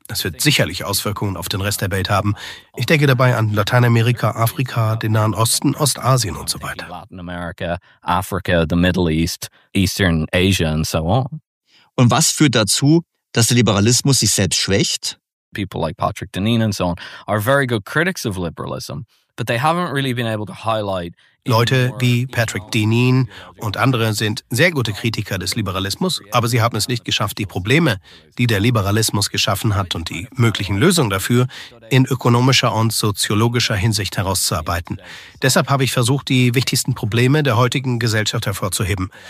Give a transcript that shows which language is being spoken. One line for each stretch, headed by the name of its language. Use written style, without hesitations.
German: Es wird sicherlich Auswirkungen auf den Rest der Welt haben. Ich denke dabei an Lateinamerika, Afrika, den Nahen Osten, Ostasien und so weiter.
English: Lateinamerika, Afrika, the Middle East, Eastern Asia and so on.
German: Und was führt dazu, dass der Liberalismus sich selbst schwächt?
English: People like Patrick Deneen and so on are very good critics of liberalism. But they haven't really been able to highlight.
German: Leute wie Patrick Deneen und andere sind sehr gute Kritiker des Liberalismus, aber sie haben es nicht geschafft, die Probleme, die der Liberalismus geschaffen hat und die möglichen Lösungen dafür, in ökonomischer und soziologischer Hinsicht herauszuarbeiten. Deshalb habe ich versucht, die wichtigsten Probleme der heutigen Gesellschaft hervorzuheben.